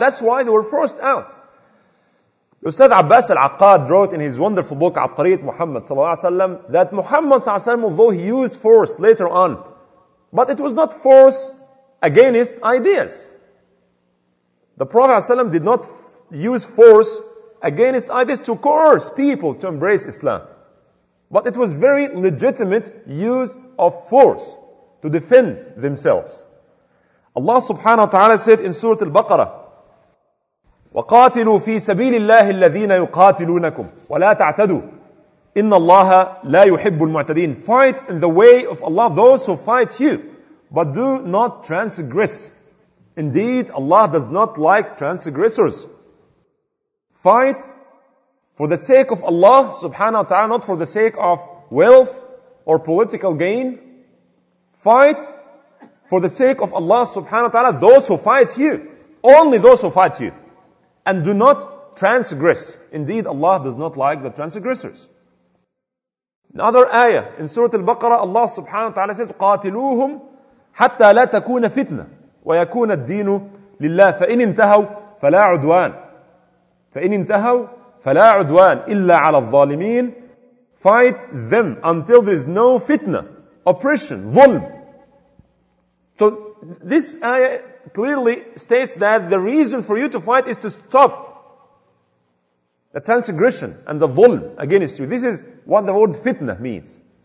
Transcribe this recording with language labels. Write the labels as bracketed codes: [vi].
[en] That's why they were forced out. Ustad Abbas al-Aqad wrote in his wonderful book, Aqariyat Muhammad [ar] صلى الله عليه وسلم, [en] that Muhammad صلى الله عليه وسلم, although he used force later on, but it was not force against ideas. The Prophet [ar] صلى الله عليه وسلم [en] did not use force against ideas to coerce people to embrace Islam. But it was very legitimate use of force to defend themselves. Allah subhanahu wa ta'ala said in Surah Al-Baqarah, [ar] وَقَاتِلُوا فِي سَبِيلِ اللَّهِ الَّذِينَ يُقَاتِلُونَكُمْ وَلَا تَعْتَدُوا إِنَّ اللَّهَ لَا يُحِبُّ الْمُعْتَدِينَ. [en] Fight in the way of Allah those who fight you, but do not transgress. Indeed, Allah does not like transgressors. Fight for the sake of Allah subhanahu wa ta'ala, not for the sake of wealth or political gain. Fight for the sake of Allah subhanahu wa ta'ala, those who fight you, only those who fight you. And do not transgress. Indeed, Allah does not like the transgressors. Another ayah in Surah Al-Baqarah, Allah subhanahu wa ta'ala says, [ar] قَاتِلُوهُمْ حَتَّى لَا تَكُونَ فِتْنَةً وَيَكُونَ الدِّينُ لِلَّهِ فَإِنْ انْتَهَوْا فَلَا عُدْوَانَ فَإِنْ انْتَهَوْا فَلَا عُدْوَانَ إِلَّا عَلَى الظَّالِمِينَ. [en] Fight them until there is no fitna, oppression, ظلم. So this ayah clearly states that the reason for you to fight is to stop the transgression and the ظلم against you. This is what the word fitna means.